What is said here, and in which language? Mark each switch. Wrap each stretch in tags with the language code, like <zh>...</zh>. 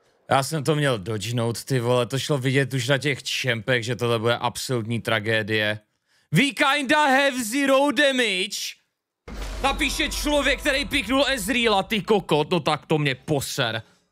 <cs>Já jsem to měl dodžnout, ty vole, to šlo vidět už na těch čempech, že tohle bude absolutní tragédie.</cs> <en>We kinda have zero damage!</en> <cs>Napíše člověk, který piknul Ezreala, ty kokot, no tak to mě poser.</cs>